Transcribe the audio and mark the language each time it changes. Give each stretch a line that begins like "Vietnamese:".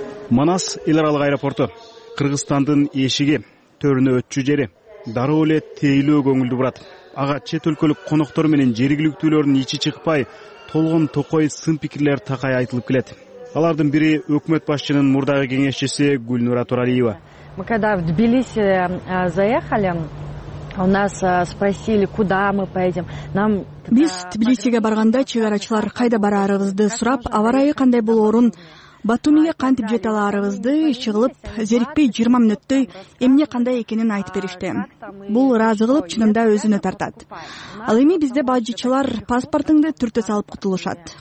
Kyrgyz: Манас эл аралык аэропорту Кыргызстандын эшиги, төрүнө өтчү жери. Дароо эле тейлөө көңүлдү бурат. Ага чет өлкөлүк коноктор менен жергиликтүүлөрдүн ичи чыкпай, толгон токой сын пикирлер такай айтылып келет. Алардын бири өкмөт башчынын мурдагы кеңешчиси Гүлнура Туралиева.
Russian: Мы когда в Тбилиси заехали, у нас спросили, куда мы поедем. Нам
Kyrgyz: биз Тбилисиге барганда чек арачылар кайда барарыбызды сурап, аба ырайы кандай болоорун, Батумиге кантип жете аларыбызды иши кылып, зерикпей 20 мүнөттөй эмне кандай экенин айтып беришти. Бул ыраазы кылып чынында өзүнө тартат. Ал эми бизде бажычылар паспортуңду түртө салып кутулушат.